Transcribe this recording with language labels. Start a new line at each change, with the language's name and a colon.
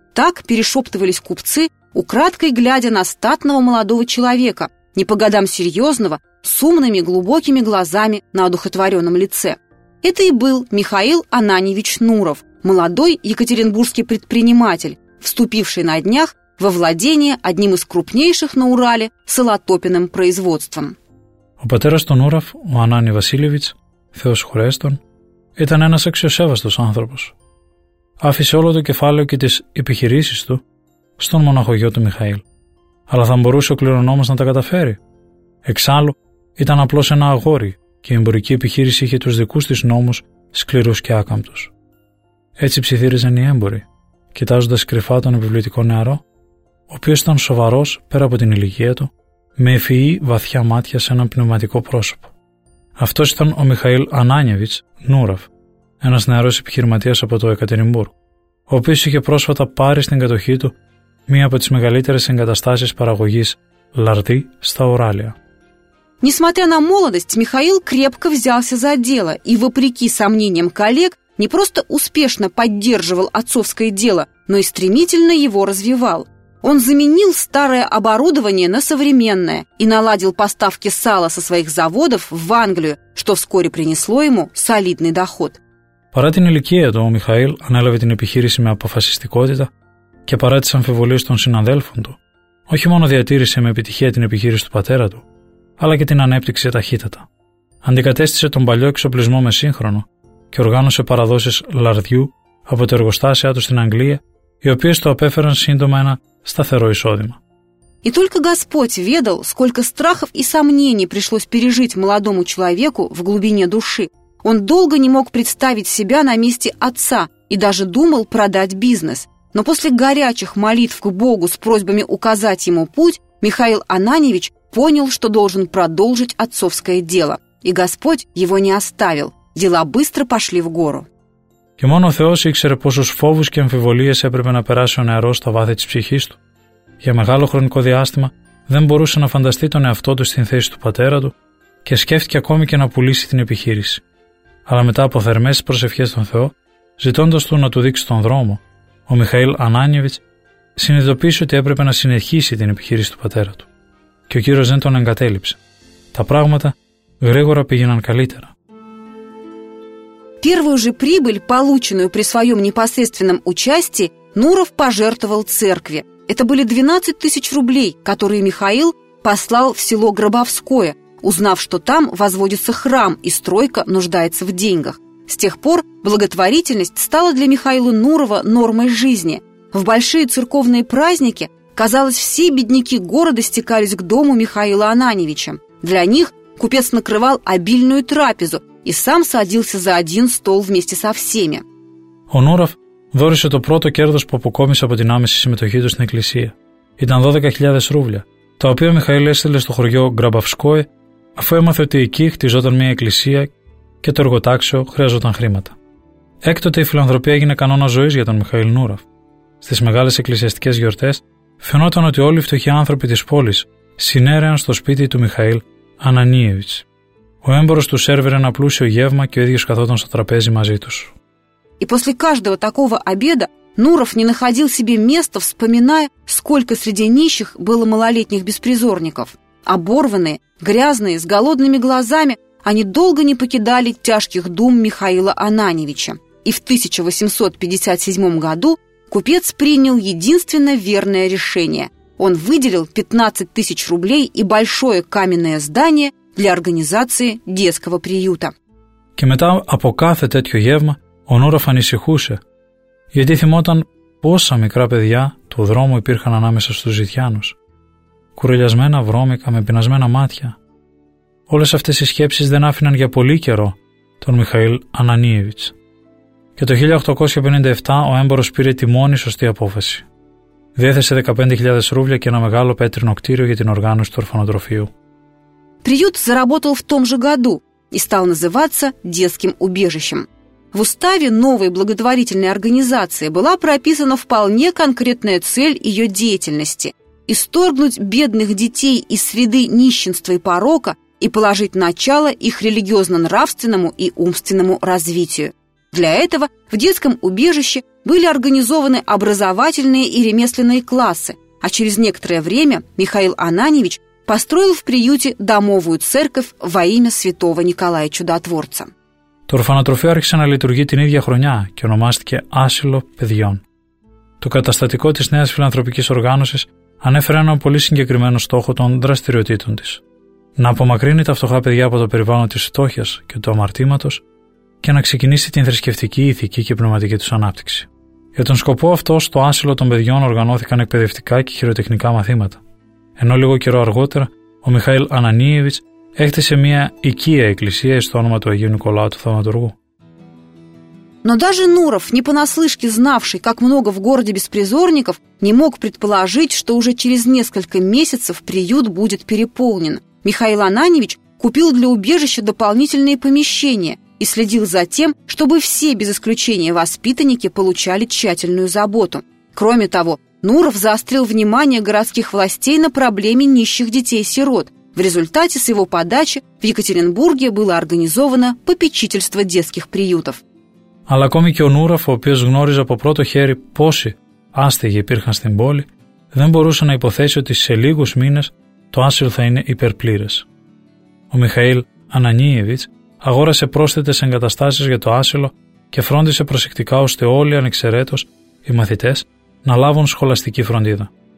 Russian: Так перешептывались купцы, украдкой глядя на статного молодого человека, не по годам серьезного, с умными глубокими глазами на одухотворенном лице. Это и был Михаил Ананьевич Нуров, молодой екатеринбургский предприниматель, вступивший на днях во владение одним из крупнейших на Урале салатопиным производством.
Greek: Ο πατέρας του Νούραφ, ο Ανάνη Βασίλεβιτς, Θεός χωρές τον, ήταν ένας αξιοσέβαστος άνθρωπος. Άφησε όλο το κεφάλαιο και τις επιχειρήσεις του στον μοναχογιό του Μιχαήλ. Αλλά θα μπορούσε ο κληρονόμος να τα καταφέρει? Εξάλλου, ήταν απλώς ένα αγόρι και η εμπορική επιχείρηση είχε τους δικούς της νόμους σκληρούς και άκαμπτους. Έτσι ψιθύριζαν οι έμποροι, κοιτάζοντας κρυφά τον επιβλητικό νεαρό, ο οποίος ήταν σοβαρός πέρα από την ηλικία του, με ευφυή βαθιά μάτια σε ένα πνευματικό πρόσωπο. Αυτός ήταν ο Μιχαήλ Ανάνιεβιτς Νούραφ, ένας νεαρός επιχειρηματίας από το Εκατερινμπούργκ, ο οποίος είχε πρόσφατα πάρει στην κατοχή του μία από τις μεγαλύτερες εγκαταστάσεις παραγωγής λαρδί στα Ουράλια.
Russian: Несмотря на молодость, Михаил крепко взялся за дело и, вопреки сомнениям коллег, не просто успешно поддерживал отцовское дело, но и стремительно его развивал. Он заменил старое оборудование на современное и наладил поставки сала со своих заводов в Англию, что вскоре принесло ему солидный доход.
Greek: Παρά την ηλικία του, ο Михаил ανέλαβε την επιχείρηση με αποφασιστικότητα και παρά τις αμφιβολίες των συναδέλφων του, όχι μόνο διατήρησε με επιτυχία την επιχείρηση του πατέρα του, αλλά και την ανέπτυξε ταχύτατα. Αντικατέστησε τον παλιό εξοπλισμό με σύγχρονο και οργάνωσε παραδόσεις λαρδιού από τα εργοστάσια του στην Αγγλία, οι οποίες το απέφεραν σύντομα ένα σταθερό εισόδημα.
Russian: И только Господь ведал, сколько страхов и сомнений пришлось пережить молодому человеку в глубине души. Он долго не мог представить себя на месте отца и даже думал продать бизнес. Но после горячих молитв к Богу с просьбами указать ему путь, Михаил Ананьевич понял, что должен продолжить отцовское дело. И Господь его не оставил. Дела быстро пошли в гору.
Greek: Και μόνο ο Θεός ήξερε πόσους φόβους και αμφιβολίες έπρεπε να περάσει ο νεαρός στα βάθη της ψυχής του. Για μεγάλο χρονικό διάστημα δεν μπορούσε να φανταστεί τον εαυτό του στην θέση του πατέρα του και σκέφτηκε ακόμη και να πουλήσει την επιχείρηση. Αλλά μετά από θερμές προσευχές στον Θεό, ζητώντας του να του δείξει τον δρόμο, ο Μιχαήλ Ανάνιεβιτς συνειδητοποίησε ότι έπρεπε να συνεχίσει την επιχείρηση του πατέρα του. Και ο κύριος δεν τον εγκατέλειψε. Τα πράγματα γρήγορα πήγαιναν καλύτερα.
Russian: Первую же прибыль, полученную при своем непосредственном участии, Нуров пожертвовал церкви. Это были 12 тысяч рублей, которые Михаил послал в село Гробовское, узнав, что там возводится храм и стройка нуждается в деньгах. С тех пор благотворительность стала для Михаила Нурова нормой жизни. В большие церковные праздники, казалось, все бедняки города стекались к дому Михаила Ананьевича. Для них купец накрывал обильную трапезу, и сам садился за один стол вместе со всеми.
Greek: Ο Νούραφ δόρισε το πρώτο κέρδος που αποκόμισε από την άμεση συμμετοχή του στην εκκλησία. Ήταν 12.000 ρούβλια, τα οποία ο Μιχαήλ έστειλε στο χωριό Γκραμπαυσκόε, αφού έμαθε ότι εκεί χτιζόταν μια εκκλησία και το εργοτάξιο χρειαζόταν χρήματα. Έκτοτε η φιλανθρωπία έγινε κανόνα ζωής για τον Μιχαήλ Νούραφ. Στις μεγάλες εκκλησιαστικές γιορτές φαινόταν ότι όλοι οι φτωχοί άνθρωποι της πόλης συνέρεαν στο σπίτι του Μιχαήλ Ανανίεβιτς. Ο έμπορος του σέρβιρε ένα πλούσιο γεύμα και ο ίδιος καθόταν στο τραπέζι μαζί τους.
Russian: И после каждого такого обеда Нуров не находил себе места, вспоминая, сколько среди нищих было малолетних беспризорников. Оборванные, грязные, с голодными глазами, они долго не покидали тяжких дум Михаила Ананевича. И в 1857 году купец принял единственно верное решение. Он выделил 15 тысяч рублей и большое каменное здание для организации детского приюта.
Greek: Και μετά από κάθε τέτοιο γεύμα, ο Νούροφ ανησυχούσε, γιατί θυμόταν πόσα μικρά παιδιά του δρόμου υπήρχαν ανάμεσα στους ζητιάνους. Κουρελιασμένα, βρώμικα, με πεινασμένα μάτια. Όλες αυτές οι σκέψεις δεν άφηναν για πολύ καιρό τον Μιχαήλ Ανανίεβιτς. Και το 1857 ο έμπορος πήρε τη μόνη σωστή απόφαση. Διέθεσε 15.000 ρούβλια και ένα μεγάλο πέτρινο κτίριο για την οργάνωση του ορφανοτροφείου.
Russian: Приют заработал в том же году и стал называться детским убежищем. В уставе новой благотворительной организации была прописана вполне конкретная цель ее деятельности – исторгнуть бедных детей из среды нищенства и порока и положить начало их религиозно-нравственному и умственному развитию. Для этого в детском убежище были организованы образовательные и ремесленные классы, а через некоторое время Михаил Ананевич построил в приюте домовую церковь во имя святого Николая Чудотворца.
Greek: Το ορφανοτροφείο άρχισε να λειτουργεί την ίδια χρονιά και ονομάστηκε Άσυλο Παιδιών. Το καταστατικό της νέας φιλανθρωπικής οργάνωσης ανέφερε έναν πολύ συγκεκριμένο στόχο των δραστηριοτήτων της. Να απομακρύνει τα φτωχά παιδιά από το περιβάλλον της φτώχειας και του αμαρτήματος και να ξεκινήσει την θρησκευτική, ηθική και πνευματική τους ανάπτυξη. Για τον σκοπό αυτό, στο Άσυλο των Παιδιών οργανώθηκαν εκπαιδευτικά και χειροτεχνικά μαθήματα. Ενώ λίγο καιρό αργότερα, ο Μιχαήλ Ανανίεβιτς έκτισε μια οικία εκκλησία στο όνομα του Αγίου Νικολάου του Θαυματουργού.
Russian: Но даже Нуров, не понаслышке знавший, как много в городе беспризорников, не мог предположить, что уже через несколько месяцев приют будет переполнен. Михаил Ананевич купил для убежища дополнительные помещения и следил за тем, чтобы все без исключения воспитанники получали тщательную заботу. Кроме того, Нуров заострил внимание городских властей на проблеме нищих детей-сирот. В результате с его подачи в Екатеринбурге было организовано попечительство детских приютов.
Greek: Αλλά ακόμη και ο Νούραφ, ο οποίος γνώριζε από πρώτο χέρι πόσοι άστεγοι υπήρχαν στην πόλη, δεν μπορούσε να υποθέσει ότι σε λίγους μήνες το άσυλο θα είναι υπερπλήρες. Ο Μιχαήλ Ανανίεβιτς αγόρασε πρόσθετες εγκαταστάσεις για το άσυλο και φρόντισε προσεκτικά ώστε όλοι ανεξαιρέτως οι μαθητές να λάβουν σχολαστική φροντίδα.